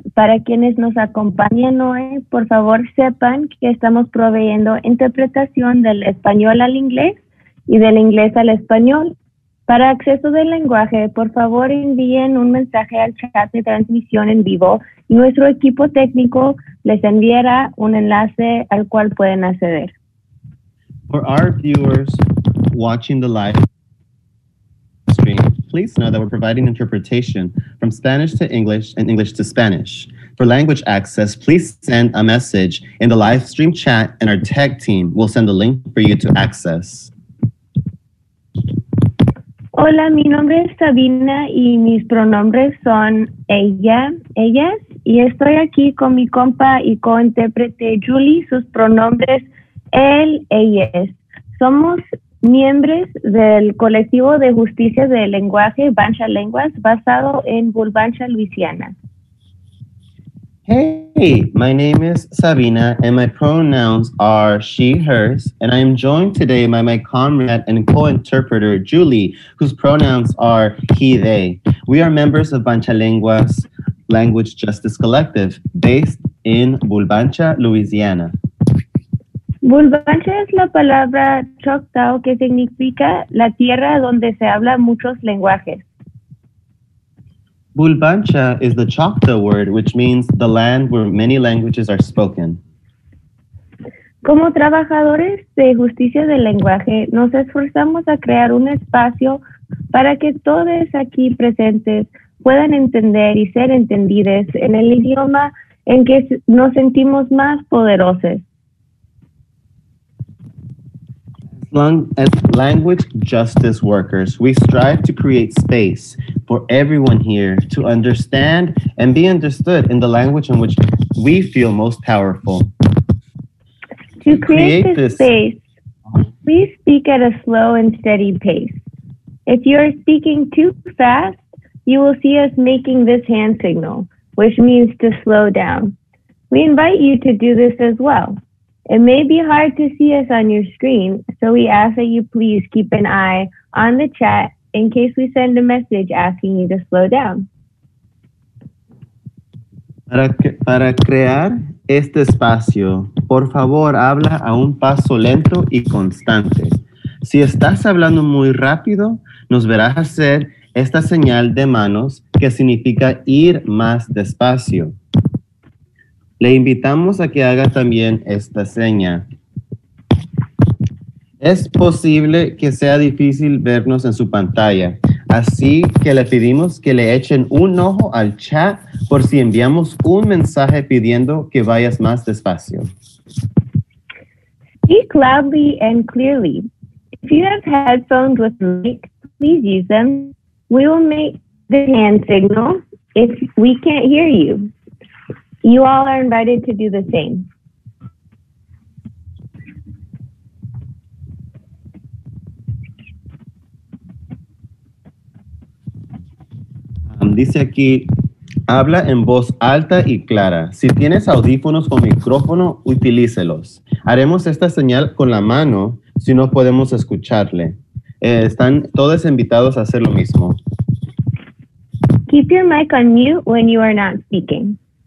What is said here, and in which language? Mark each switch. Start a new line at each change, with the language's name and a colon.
Spanish: Para quienes nos acompañan hoy, por favor sepan que estamos proveyendo interpretación del español al inglés y del inglés al español. Para acceso del lenguaje, por favor envíen un mensaje al chat de transmisión en vivo y nuestro equipo técnico les enviará un enlace al cual pueden acceder.
English: For our viewers watching the live stream, please know that we're providing interpretation from Spanish to English and English to Spanish. For language access, please send a message in the live stream chat and our tech team will send a link for you to access.
Spanish: Hola, mi nombre es Sabina y mis pronombres son ella, ellas, y estoy aquí con mi compa y co-intérprete Julie, sus pronombres él, ellas. Somos miembros del colectivo de justicia del lenguaje Bancha Lenguas, basado en Bulbancha, Louisiana.
English: Hey, my name is Sabina and my pronouns are she, hers, and I am joined today by my comrade and co-interpreter, Julie, whose pronouns are he, they. We are members of Bancha Lenguas Language Justice Collective, based in Bulbancha, Louisiana.
Spanish: Bulbancha es la palabra Choctaw que significa la tierra donde se habla muchos lenguajes.
English: Bulbancha is the Choctaw word, which means the land where many languages are spoken.
Spanish: Como trabajadores de justicia del lenguaje, nos esforzamos a crear un espacio para que todos aquí presentes puedan entender y ser entendidos en el idioma en que nos sentimos más poderosos.
English: As language justice workers, we strive to create space for everyone here to understand and be understood in the language in which we feel most powerful. To create this space, please speak at a slow and steady pace. If you're speaking too fast, you will see us making this hand signal, which means to slow down. We invite you to do this as well. It may be hard to see us on your screen, so we ask that you please keep an eye on the chat in case we send a message asking you to slow down.
Spanish: Para crear este espacio, por favor, habla a un paso lento y constante. Si estás hablando muy rápido, nos verás hacer esta señal de manos que significa ir más despacio. Le invitamos a que haga también esta seña. Es posible que sea difícil vernos en su pantalla, así que le pedimos que le echen un ojo al chat por si enviamos un mensaje pidiendo que vayas más despacio.
English: Speak loudly and clearly. If you have headphones with mic, please use them. We will make the hand signal if we can't hear you. You all are invited to do the same.
Spanish: Dice aquí, habla en voz alta y clara. Si tienes audífonos con micrófono, utilícelos. Haremos esta señal con la mano si no podemos escucharle. Están todos invitados a hacer lo mismo.
English: Keep your mic on mute when you are not speaking.